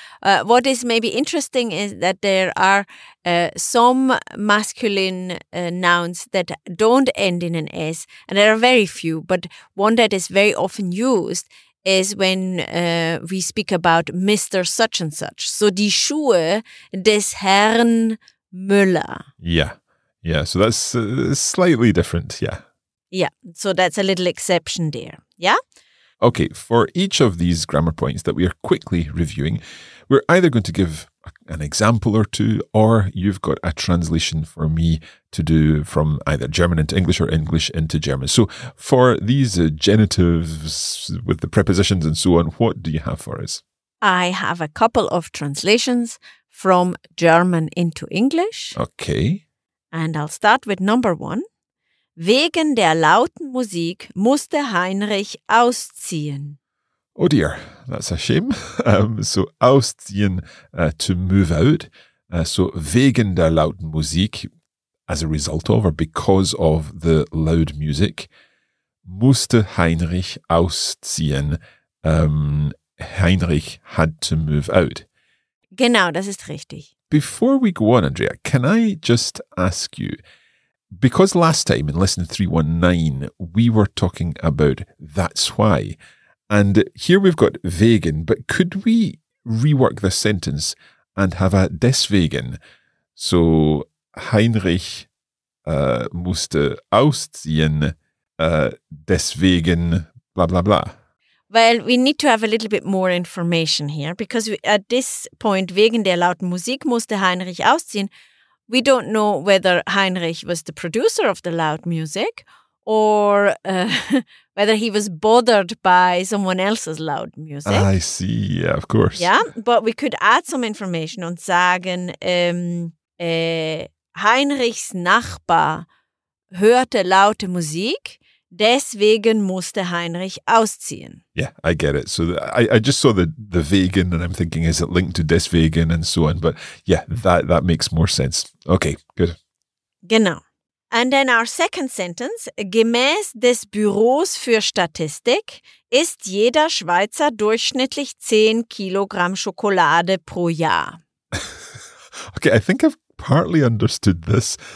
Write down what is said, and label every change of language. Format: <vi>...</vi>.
<en>What is maybe interesting is that there are some masculine nouns that don't end in an S, and there are very few, but one that is very often used is when we speak about Mr. Such and Such.</en> <de>So, die Schuhe des Herrn Müller.</de> <en>Yeah, so that's slightly different, yeah. Yeah, so that's a little exception there, yeah. Okay, for each of these grammar points that we are quickly reviewing, we're either going to give an example or two, or you've got a translation for me to do from either German into English or English into German. So for these genitives with the prepositions and so on, what do you have for us? I have a couple of translations from German into English. Okay. And I'll start with number one.</en> <de>Wegen der lauten Musik musste Heinrich ausziehen.</de> <en>Oh dear, that's a shame. So ausziehen, to move out. So</en> <de>wegen der lauten Musik,</de> <en>as a result of or because of the loud music,</en> <de>musste Heinrich ausziehen.</de> <en>Heinrich had to move out.</en> <de>Genau, das ist richtig.</de> <en>Before we go on, Andrea, can I just ask you, because last time in lesson 319, we were talking about that's why. And here we've got wegen, but could we rework the sentence and have a deswegen?</en> <de>So Heinrich musste ausziehen, deswegen, blah, blah, blah.</de> <en>Well, we need to have a little bit more information here, because at this point,</en> <de>wegen der lauten Musik musste Heinrich ausziehen.</de> <en>We don't know whether Heinrich was the producer of the loud music or whether he was bothered by someone else's loud music. I see. Yeah, of course. Yeah, but we could add some information and</en> <de>sagen, Heinrichs Nachbar hörte laute Musik, deswegen musste Heinrich ausziehen.</de> <en>Yeah, I get it. So I just saw the wegen and I'm thinking, is it linked to deswegen and so on? But yeah, that makes more sense. Okay, good.</en> <de>Genau.</de> <en>And then our second sentence,</en> <de>gemäß des Büros für Statistik ist jeder Schweizer durchschnittlich 10 Kilogramm Schokolade pro Jahr.</de> <en>Okay, I think I've partly understood this.</en>